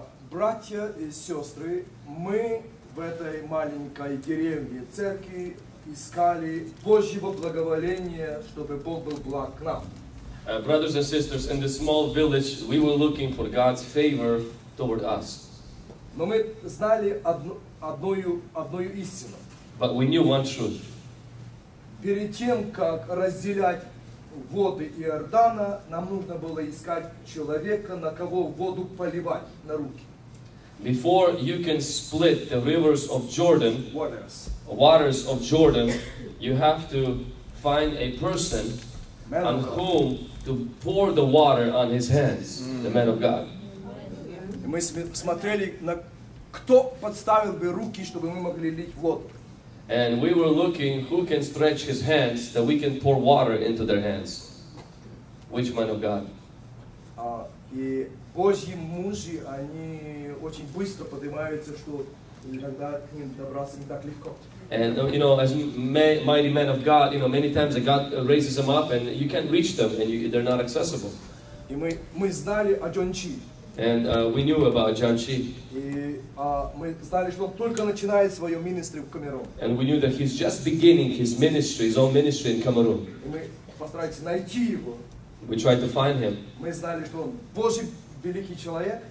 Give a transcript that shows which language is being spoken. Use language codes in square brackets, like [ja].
[ru] Братья и сестры, мы в этой маленькой деревне церкви искали Божьего благоволения, чтобы Бог был благ к нам. [en] Brothers and sisters, in this small village, we were looking for God's favor toward us. [ru] Но мы знали одну истину. [en] But we knew one truth. [ru] Перед тем, как разделять воды Иордана, нам нужно было искать человека, на кого воду поливать, на руки. [en] Before you can split the rivers of Jordan, waters of Jordan, you have to find a person on whom to pour the water on his hands, the man of God. [ru] Мы смотрели, на кто подставил бы руки, чтобы мы могли лить воду. [en] And we were looking who can stretch his hands that we can pour water into their hands. Which man of God? [ru] И Божьи мужи, они очень быстро поднимаются, что иногда к ним добраться не так легко. [en] And you know, as mighty men of God, you know, many times that God raises them up, and you can't reach them, and they're not accessible. [ru] И мы знали о Джанчи. [en] And we knew about Janchi. [ru] Мы знали, что он только начинает свое министерство в Камерун. [en] And we knew that he's just beginning his ministry, his own ministry in Cameroon. [ru] Мы постарались найти его. [en] We tried to find him. [ru] Мы знали, что он Божий великий человек.